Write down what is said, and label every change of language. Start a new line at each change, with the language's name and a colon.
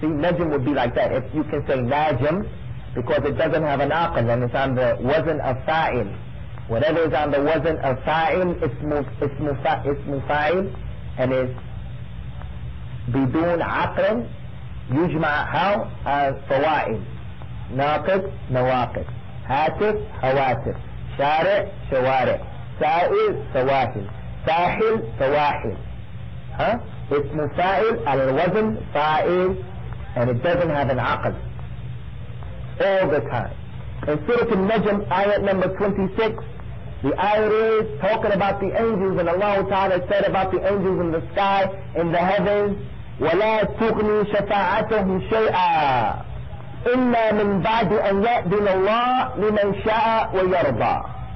English: See, Najm would be like that. If you can say Najm, because it doesn't have an aqal and it's on the wazn of fa'il. Whatever is on the wazn of fa'il, ismu fa'il, and is bidun aqlan, yujma' how? As fawa'il. Naqid, nawaqid. Hatif, hawatif.
Arabic: شارع شوارع سائل سواحل ساحل سواحل ها اسم فاعل على الوزن فاعل
English: and it doesn't have an
Arabic: عقل all the time.
English: In Surah Al-Najm ayat number 26, the ayat is talking about the angels, and Allah Ta'ala said about the angels in the sky, in the heavens,
Arabic: وَلَا تُغْنِي شَفَاعَتَهُمْ شَيْئًا إِلَّا مِنْ بَعْدِ أَنْ يَأْدِنَ اللَّهِ لِمَنْ شَاءَ وَيَرْضَى.